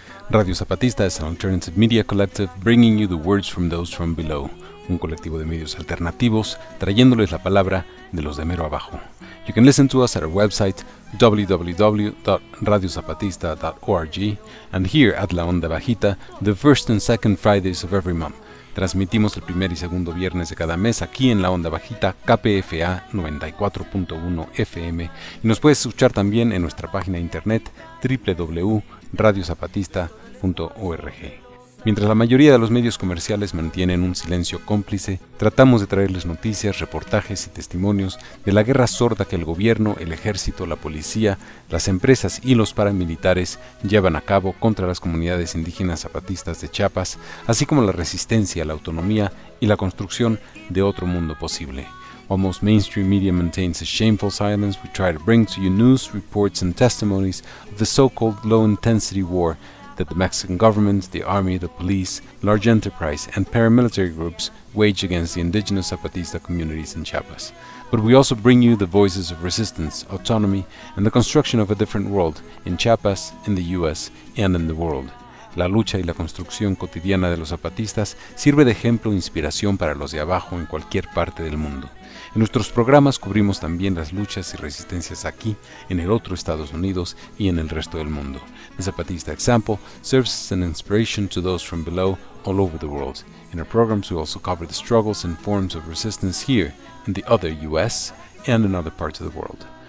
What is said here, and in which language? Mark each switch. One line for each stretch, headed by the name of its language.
English: Radio Zapatista es an alternative media collective bringing you the words from those from below.
Spanish: Un colectivo de medios alternativos trayéndoles la palabra de los de mero abajo.
English: You can listen to us at our website www.radiozapatista.org and here at La Onda Bajita, the first and second Fridays of every month.
Spanish: Transmitimos el primer y segundo viernes de cada mes aquí en La Onda Bajita, KPFA 94.1 FM, y nos puedes escuchar también en nuestra página de internet www.radiozapatista.org. Mientras la mayoría de los medios comerciales mantienen un silencio cómplice, tratamos de traerles noticias, reportajes y testimonios de la guerra sorda que el gobierno, el ejército, la policía, las empresas y los paramilitares llevan a cabo contra las comunidades indígenas zapatistas de Chiapas, así como la resistencia a la autonomía y la construcción de otro mundo posible.
English: Almost mainstream media maintains a shameful silence. We try to bring to you news, reports and testimonies of the so-called low-intensity war that the Mexican government, the army, the police, large enterprise and paramilitary groups wage against the indigenous Zapatista communities in Chiapas. But we also bring you the voices of resistance, autonomy and the construction of a different world in Chiapas, in the US and in the world.
Spanish: La lucha y la construcción cotidiana de los zapatistas sirve de ejemplo e inspiración para los de abajo en cualquier parte del mundo. En nuestros programas cubrimos también las luchas y resistencias aquí, en el otro Estados Unidos y en el resto del mundo.
English: The Zapatista Example serves as an inspiration to those from below all over the world. In our programs we also cover the struggles and forms of resistance here, in the other US and in other parts of the world.